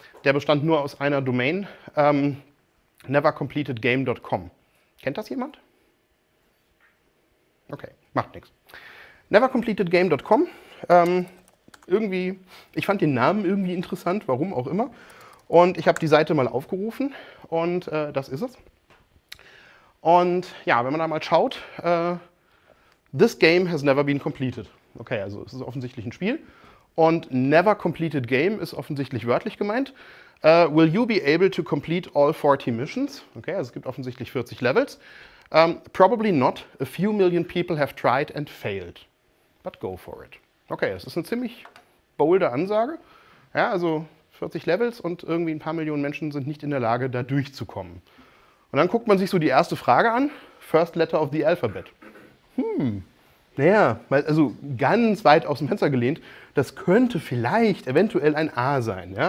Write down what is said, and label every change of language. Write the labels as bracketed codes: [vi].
[de] Der bestand nur aus einer Domain, nevercompletedgame.com. Kennt das jemand? Okay, macht nichts. Nevercompletedgame.com, irgendwie, ich fand den Namen irgendwie interessant, warum auch immer. Und ich habe die Seite mal aufgerufen und das ist es. Und ja, wenn man da mal schaut, [en] this game has never been completed. [de] Okay, also es ist offensichtlich ein Spiel. Und never completed game ist offensichtlich wörtlich gemeint. [en] Will you be able to complete all 40 missions? [de] Okay, also es gibt offensichtlich 40 Levels. [en] Probably not. A few million people have tried and failed. But go for it. [de] Okay, es ist eine ziemlich bolde Ansage. Ja, also 40 Levels und irgendwie ein paar Millionen Menschen sind nicht in der Lage, da durchzukommen. Und dann guckt man sich so die erste Frage an. [en] First letter of the alphabet. [de] Naja, also ganz weit aus dem Fenster gelehnt, das könnte vielleicht eventuell ein A sein. Ja?